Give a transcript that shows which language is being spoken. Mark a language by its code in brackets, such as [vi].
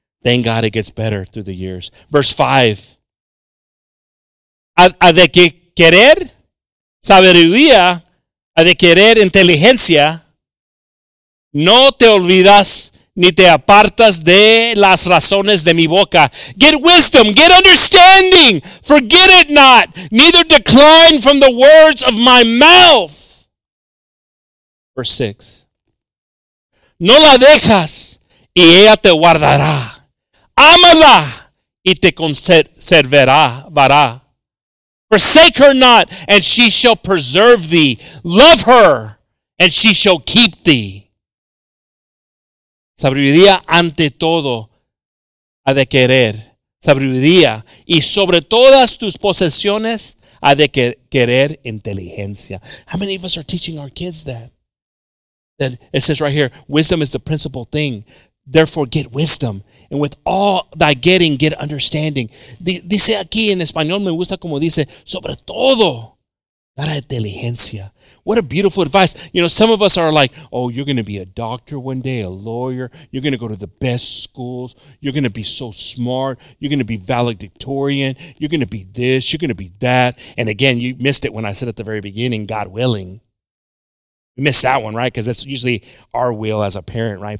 [en] Thank God it gets better through the years. Verse 5. [es] A de que querer sabiduría, a de querer inteligencia, no te olvidas ni te apartas de las razones de mi boca. [en] Get wisdom, get understanding. Forget it not. Neither decline from the words of my mouth. Verse 6. [es] No la dejas, y ella te guardará. Ámala, y te conservará. [en] Forsake her not, and she shall preserve thee. Love her, and she shall keep thee. [es] Sabiduría ante todo, ha de querer. sabiduría y sobre todas tus posesiones ha de querer inteligencia. [en] How many of us are teaching our kids that? That it says right here, wisdom is the principal thing. Therefore, get wisdom. And with all thy getting, get understanding. [es] Dice aquí en español, me gusta como dice, sobre todo, la inteligencia. [en] What a beautiful advice. You know, some of us are like, oh, you're going to be a doctor one day, a lawyer. You're going to go to the best schools. You're going to be so smart. You're going to be valedictorian. You're going to be this. You're going to be that. And again, you missed it when I said at the very beginning, God willing. You missed that one, right? Because that's usually our will as a parent, right?